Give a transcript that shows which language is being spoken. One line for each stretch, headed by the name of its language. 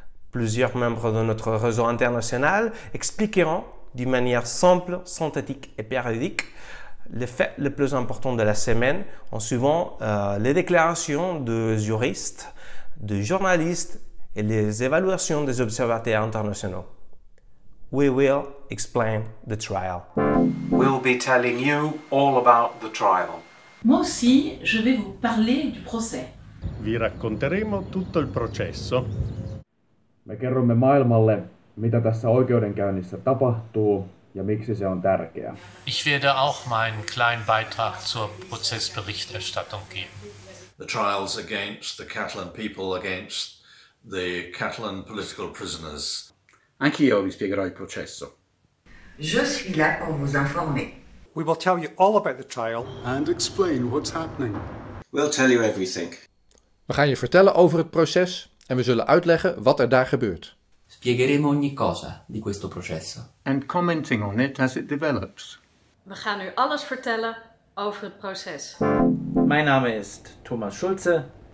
French: Plusieurs membres de notre réseau international expliqueront d'une manière simple, synthétique et périodique les faits les plus importants de la semaine en suivant les déclarations de juristes, de journalistes et les évaluations des observateurs internationaux.
English: We will explain the trial. We'll be telling you all about the trial.
French: Moi aussi, je vais vous parler du procès.
Italian: Vi racconteremo tutto il processo.
Finnish: Me kerromme maailmalle, mitä tässä oikeudenkäynnissä tapahtuu ja miksi se on tärkeä.
German: Ich werde auch meinen kleinen Beitrag zur Prozessberichterstattung geben.
English: The trials against the Catalan people, against the Catalan political prisoners.
Italian: Anch'io vi spiegherò il processo.
French: Je suis là pour vous informer.
English: We will tell you all about the trial and explain what's happening. We'll tell you everything.
Dutch: We gaan je vertellen over het proces en we zullen uitleggen wat er daar gebeurt.
Italian: Spiegheremo ogni cosa di questo processo.
English: And commenting on it as it develops.
Dutch: We gaan u alles vertellen over het proces. Mijn naam is Thomas Schulze.